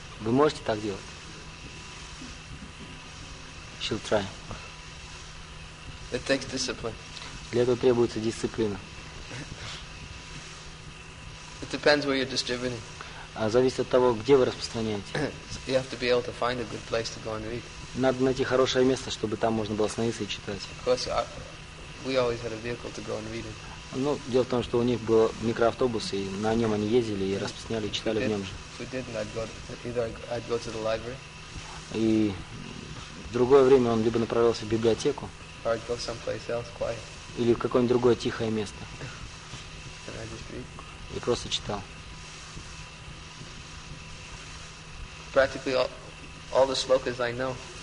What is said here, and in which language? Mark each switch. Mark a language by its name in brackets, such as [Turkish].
[Russian] Вы можете так делать? [English] She'll try. It takes discipline. [Russian] Для этого требуется дисциплина. [English] It depends where you're distributing. [Russian] А зависит от того, где вы распространяете. [English] You have to be able to find a good place to go and read. [Russian] Надо найти хорошее место, чтобы там можно было остановиться и читать. [English] Of course, we always had a vehicle to go and read it. [Russian] Ну, дело в том, что у них был микроавтобус, и на нем они ездили и распространяли, и читали [English] if [Russian] в нем же. [English] If we didn't, I'd go to the library. [Russian] И в другое время он либо направлялся в библиотеку, [English] or I'd go someplace else, quiet. [Russian] Или в какое-нибудь другое тихое место. [English] And I'd just read. [Russian] И просто читал. [English] Practically all the shlokas I know.